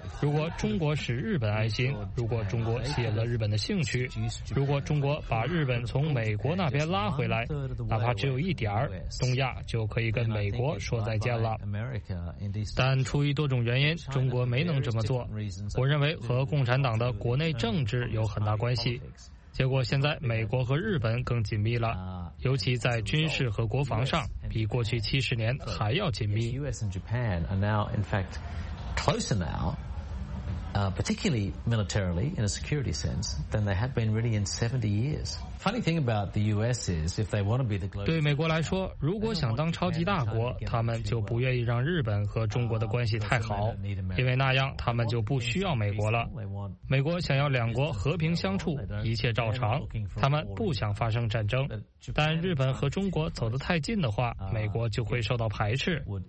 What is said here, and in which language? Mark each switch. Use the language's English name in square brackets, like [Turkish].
[Chinese] 如果中国使日本安心，如果中国吸引了日本的兴趣，如果中国把日本从美国那边拉回来，哪怕只有一点儿，东亚就可以跟美国说再见了。但出于多种原因，中国没能这么做。我认为和共产党的国内政治有很大关系。结果现在美国和日本更紧密了，尤其在军事和国防上比过去70年还要紧密。 [English] US and Japan are now in fact closer now, particularly militarily in a security sense, than they had been really in 70 years. Funny thing about the US is if they want to be the global, [Chinese] 对美国来说，如果想当超级大国，他们就不愿意让日本和中国的关系太好，因为那样他们就不需要美国了。美国想要两国和平相处，一切照常，他们不想发生战争。但日本和中国走得太近的话，美国就会受到排斥。